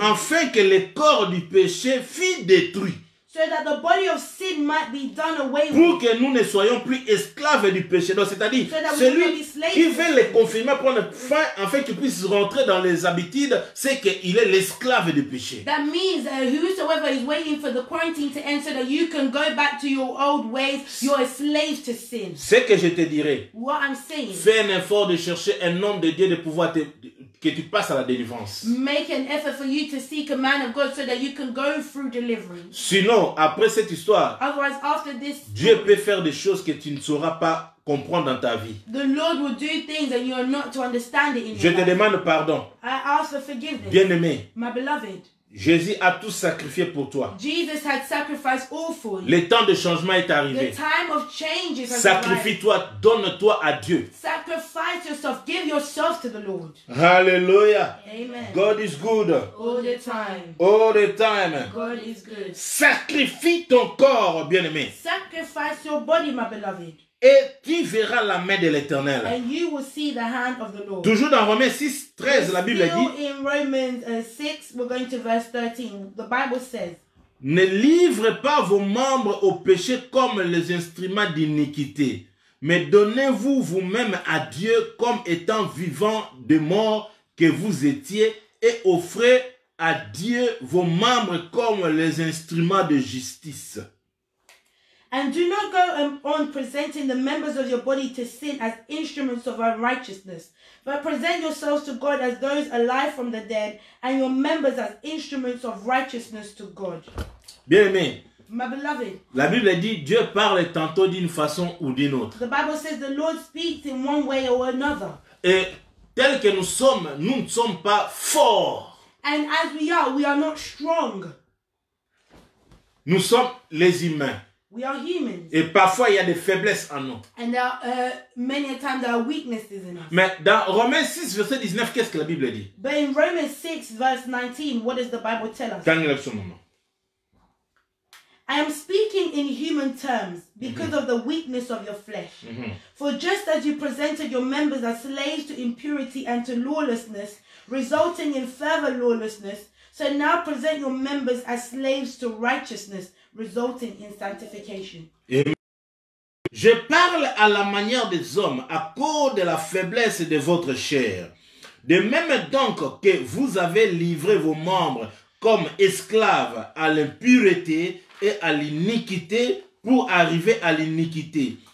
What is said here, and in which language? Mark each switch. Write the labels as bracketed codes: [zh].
[fr] Afin que le corps du péché fût détruit. [en] So that the body of sin might be done away with. [fr] Pour que nous ne soyons plus esclaves du péché. Donc, c'est-à-dire, celui qui veut le confirmer, prendre fin, afin qu'il puisse rentrer dans les habitudes, c'est qu'il est l'esclave du péché. [en] That means whosoever is waiting for the quarantine to end so that you can go back to your old ways, you're a slave to sin. [fr] Ce que je te dirai. [en] What I'm saying. [fr] Fais un effort de chercher un homme de Dieu de pouvoir te... que tu passes à la délivrance. [en] Make an effort for you to seek a man of God so that you can go through delivery. [fr] Sinon, après cette histoire, [en] otherwise, after this story, [fr] Dieu peut faire des choses que tu ne sauras pas comprendre dans ta vie. [en] The Lord will do things and you are not to understand it in [fr] Je te demande pardon. [en] I ask for forgiveness. [fr] Bien-aimé. [en] My beloved. [fr] Jésus a tout sacrifié pour toi. [en] Jesus had sacrificed all for you. [fr] Le temps de changement est arrivé. [en] The time of change is [fr] Sacrifie-toi, donne-toi à Dieu. [en] Sacrifice yourself, give yourself to the Lord. Hallelujah. Amen. God is good. All the time. All the time. God is good. [fr] Sacrifie ton corps, bien-aimé. [en] Sacrifice your body, my beloved. [fr] Et tu verras la main de l'Éternel. [en] And you will see the hand of the Lord. [fr] Toujours dans Romains 6, 13, la Bible dit. [en] In Romans 6, we're going to verse 13. The Bible says. [fr] Ne livrez pas vos membres au péché comme les instruments d'iniquité. Mais donnez-vous vous-même à Dieu comme étant vivant de mort que vous étiez. Et offrez à Dieu vos membres comme les instruments de justice. [en] And do not go on presenting the members of your body to sin as instruments of unrighteousness, but present yourselves to God as those alive from the dead, and your members as instruments of righteousness to God. [fr] Bien-aimé. [en] My beloved. [fr] La Bible dit Dieu parle tantôt d'une façon ou d'une autre. [en] The Bible says the Lord speaks in one way or another. [fr] Et tel que nous ne sommes pas forts. [en] And as we are not strong. [fr] Nous sommes les humains. [en] We are humans. [fr] Et parfois il y a des faiblesses en nous. [en] And there are many a time there are weaknesses in us. [fr] Mais dans Romains 6 verset 19 qu'est-ce que la Bible dit? [en] But in Romans 6 verse 19 what does the Bible tell us? [fr] Quand il est sur moment. [en] I am speaking in human terms because of the weakness of your flesh. Mm-hmm. For just as you presented your members as slaves to impurity and to lawlessness, resulting in further lawlessness, so now present your members as slaves to righteousness. Resulting in sanctification. [fr] Je parle à la manière des hommes à cause de la faiblesse de votre chair. De même donc que vous avez livré vos membres comme esclaves à l'impureté et à l'iniquité pour arriver à l'iniquité.